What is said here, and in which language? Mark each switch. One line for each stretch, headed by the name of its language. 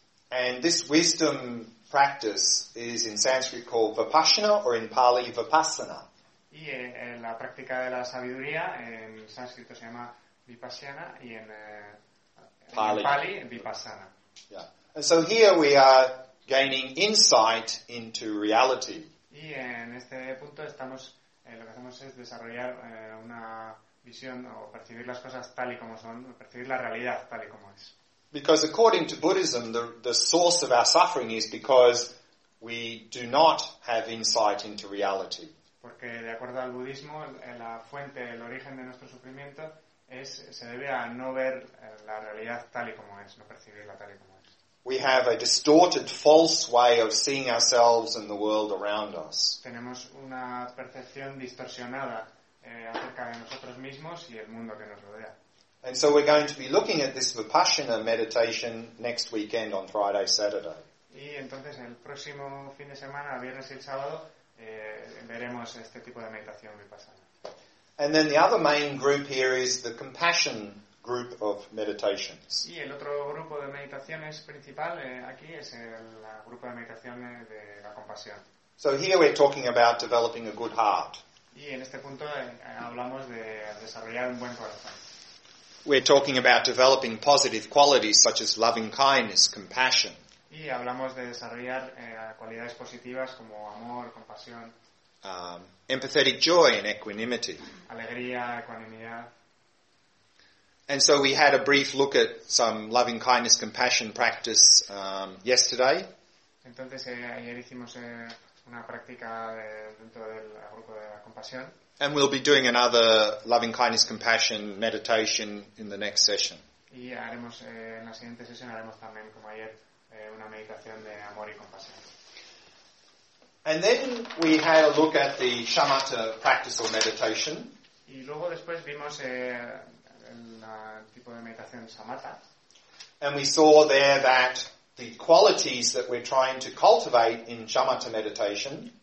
English: And this wisdom practice is in Sanskrit called vipassana or in Pali vipassana.
Spanish: Y la práctica de la sabiduría en sánscrito se llama vipassana y en Pali vipassana.
English: Yeah. And so here we are gaining insight into reality.
Spanish: Y en este punto estamos, lo que hacemos es desarrollar una visión o percibir las cosas tal y como son, percibir la realidad tal y como es.
English: Because according to Buddhism, the source of our suffering is because we do not have insight into reality.
Spanish: Porque de acuerdo al budismo, la fuente, el origen de nuestro sufrimiento es, se debe a no ver la realidad tal y como es, no percibirla tal y como es.
English: We have a distorted, false way of seeing ourselves and the world around us.
Spanish: Tenemos una percepción distorsionada acerca de nosotros mismos y el mundo que nos rodea.
English: And so we're going to be looking at this Vipassana meditation next weekend on Friday, Saturday.
Spanish: Y entonces el próximo fin de semana, viernes y el sábado, veremos este tipo de meditación Vipassana.
English: And then the other main group here is the compassion group of meditations.
Spanish: Y el otro grupo de meditaciones principal aquí es el grupo de meditaciones de la compasión.
English: So here we're talking about developing a good heart.
Spanish: Y en este punto hablamos de desarrollar un buen corazón.
English: We're talking about developing positive qualities such as loving kindness, compassion.
Spanish: Y hablamos de desarrollar cualidades positivas como amor, compasión.
English: Empathetic joy and equanimity.
Spanish: Alegría, ecuanimidad.
English: And so we had a brief look at some loving kindness, compassion practice yesterday.
Spanish: Entonces ayer hicimos una práctica dentro del grupo de la compasión.
English: And we'll be doing another loving kindness, compassion meditation in the next session.
Spanish: Y haremos en la siguiente sesión haremos también como ayer una meditación de amor y compasión.
English: And then we had a look at the shamatha practice or meditation.
Spanish: Y luego después vimos el tipo de meditación shamatha.
English: And we saw there that the qualities that we're trying to cultivate in shamatha meditation.